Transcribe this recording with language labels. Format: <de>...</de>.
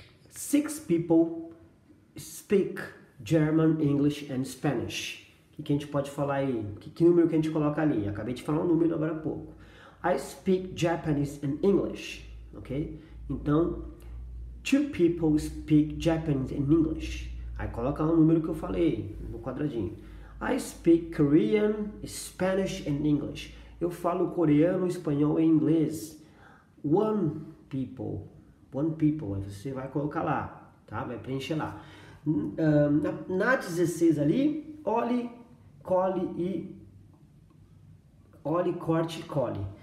<en>Six people speak German, English and Spanish.</en> <pt>O que a gente pode falar aí? Que número que a gente coloca ali? Eu acabei de falar um número agora há pouco.</pt> <en>I speak Japanese and English. Ok? Então, two people speak Japanese and English.</en> <pt>Aí coloca lá o número que eu falei, no quadradinho.</pt> <en>I speak Korean, Spanish and English.</en> <pt>Eu falo coreano, espanhol e inglês.</pt> <en>One people,</en> <pt>aí você vai colocar lá, tá? Vai preencher lá. Na 16 ali, olhe, corte, cole.</pt>